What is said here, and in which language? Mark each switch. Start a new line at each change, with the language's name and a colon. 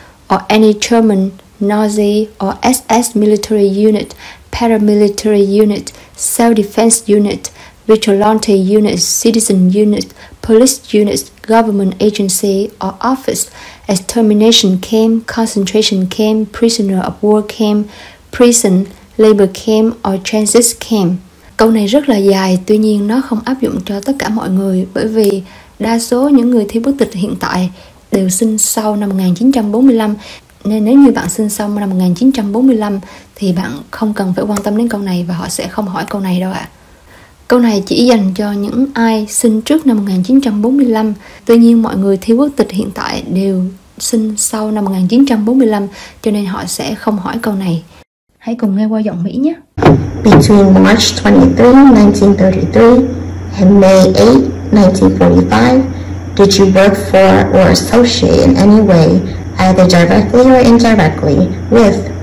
English: or any German Nazi or SS military unit, paramilitary unit, self-defense unit, vigilante unit, citizen unit, police unit, government agency or office, extermination camp, concentration camp, prisoner of war camp, prison, labor camp or transit camp?
Vietnamese: Câu này rất là dài, tuy nhiên nó không áp dụng cho tất cả mọi người bởi vì đa số những người thi quốc tịch hiện tại đều sinh sau năm 1945. Nên nếu như bạn sinh sau năm 1945 thì bạn không cần phải quan tâm đến câu này và họ sẽ không hỏi câu này đâu ạ. Câu này chỉ dành cho những ai sinh trước năm 1945. Tuy nhiên mọi người thi quốc tịch hiện tại đều sinh sau năm 1945, cho nên họ sẽ không hỏi câu này. Hãy cùng nghe qua giọng Mỹ nhé.
English: Between March 23, 1933 and May 8, 1945, did you work for or associate in any way, either directly or indirectly, with